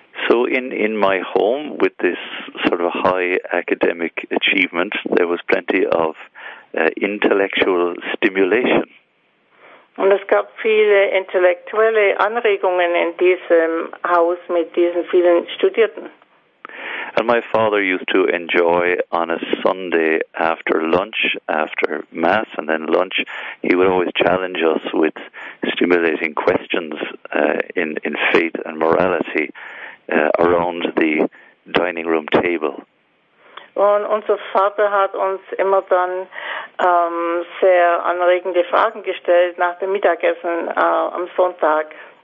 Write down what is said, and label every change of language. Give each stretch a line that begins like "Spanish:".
English: So in my home with this sort of high academic achievement, there was plenty of intellectual stimulation.
German: Und es gab viele intellektuelle Anregungen in diesem Haus mit diesen vielen Studierten.
English: And my father used to enjoy on a Sunday after lunch, after Mass and then lunch, he would always challenge us with stimulating questions in faith and morality around the dining room table.
German: Und unser Vater hat uns immer dann sehr anregende Fragen gestellt nach dem Mittagessen am Sonntag.